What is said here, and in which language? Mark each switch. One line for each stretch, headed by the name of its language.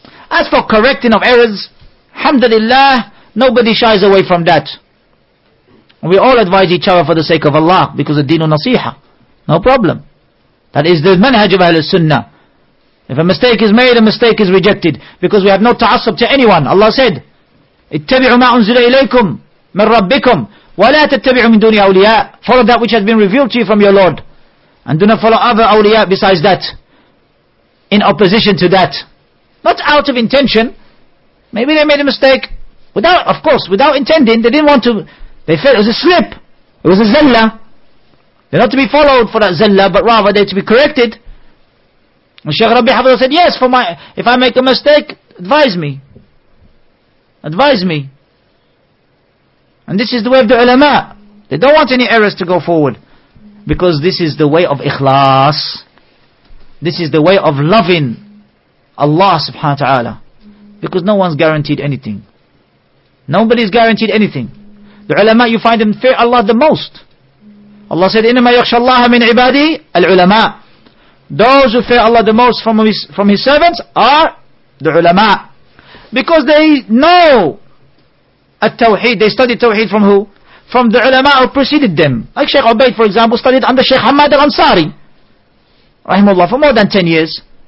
English: As for correcting of errors, alhamdulillah, nobody shies away from that. We all advise each other for the sake of Allah because of Deenu Nasiha. No problem. That is the manhaj of Ahlul Sunnah. If a mistake is made, a mistake is rejected because we have no ta'assub to anyone. Allah said,
Arabic: اتبعوا ما أنزل إليكم من ربكم. وَلَا تَتَّبِعُ مِن دُونِي أَوْلِيَاءَ
English: Follow that which has been revealed to you from your Lord. And do not follow other awliya besides that. In opposition to that. Not out of intention. Maybe they made a mistake. Without intending, they didn't want to. They felt it was a slip. It was a zalla. They're not to be followed for that zalla, but rather they're to be corrected. And Shaykh Rabbi Hafidh said, yes, if I make a mistake, advise me. Advise me. And this is the way of the ulama. They don't want any errors to go forward. Because this is the way of ikhlas. This is the way of loving Allah subhanahu wa ta'ala. Because no one's guaranteed anything. Nobody's guaranteed anything. The ulama, you find them fear Allah the most. Allah said,
Arabic: إِنَّمَا يَخْشَى اللَّهَ مِنْ عِبَادِهِ الْعُلَمَاء.
English: Those who fear Allah the most from his servants are the ulama. Because they know التوحيد. They studied Tawheed from who? From the ulama who preceded them. Like Shaykh Ubaid, for example, studied under Shaykh Hamad al-Ansari, rahimullah, for more than 10 years.